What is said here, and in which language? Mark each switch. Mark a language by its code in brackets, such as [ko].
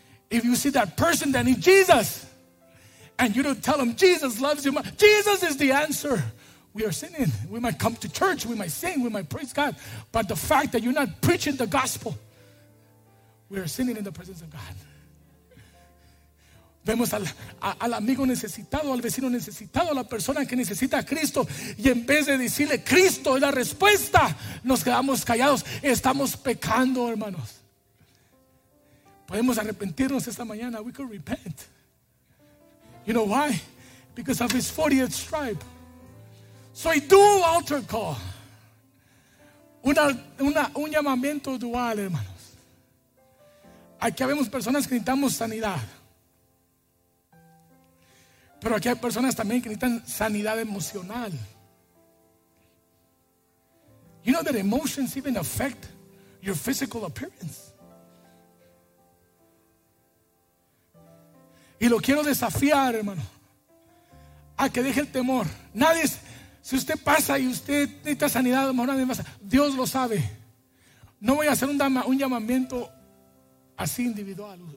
[en] If you see that person that needs Jesus, and you don't tell them Jesus loves you, Jesus is the answer, we are sinning. We might come to church, we might sing, we might praise God, but the fact that you're not preaching the gospel, we are sinning in the presence of God. [es] Vemos al amigo necesitado, al vecino necesitado, a la persona que necesita a Cristo, y en vez de decirle Cristo es la respuesta, nos quedamos callados. Estamos pecando, hermanos. Podemos arrepentirnos esta mañana. [en] We could repent. You know why? Because of his 40th stripe. So a dual altar call. [es] Un llamamiento dual, hermanos. Aquí vemos personas que necesitamos sanidad. Pero aquí hay personas también que necesitan sanidad emocional. [en] You know that emotions even affect your physical appearance. [es] Y lo quiero desafiar, hermano, a que deje el temor. Nadie, si usted pasa y usted necesita sanidad, hermano, nadie pasa. Dios lo sabe. No voy a hacer un llamamiento así individual.